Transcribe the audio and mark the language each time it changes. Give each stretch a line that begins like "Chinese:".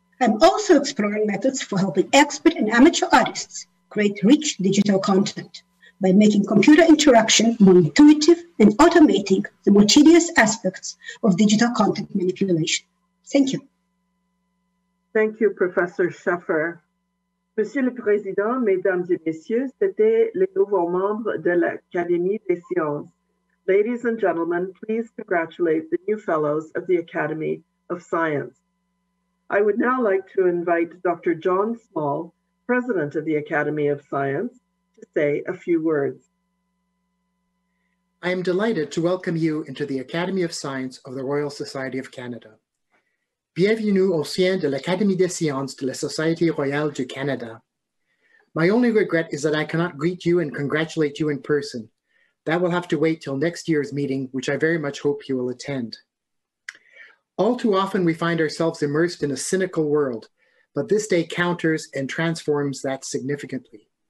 English: I'm also exploring methods for helping expert and amateur artists create rich digital content by making computer interaction more intuitive and automating the more tedious aspects of digital content manipulation. Thank you. Thank you, Professor Scheffer.
French: Monsieur le Président, Mesdames et Messieurs, c'était les nouveaux membres de l'Académie des Sciences.
English: Ladies and gentlemen, please congratulate the new fellows of the Academy of Science. I would now like to invite Dr. John Small, President of the Academy of Science, to say a few words. I am delighted to welcome you into the Academy of Science of the Royal Society of Canada.
French: Bienvenue au sein de l'Académie des Sciences de la Société Royale du Canada.
English: My only regret is that I cannot greet you and congratulate you in person. That will have to wait till next year's meeting, which I very much hope you will attend. All too often we find ourselves immersed in a cynical world, but this day counters and transforms that significantly.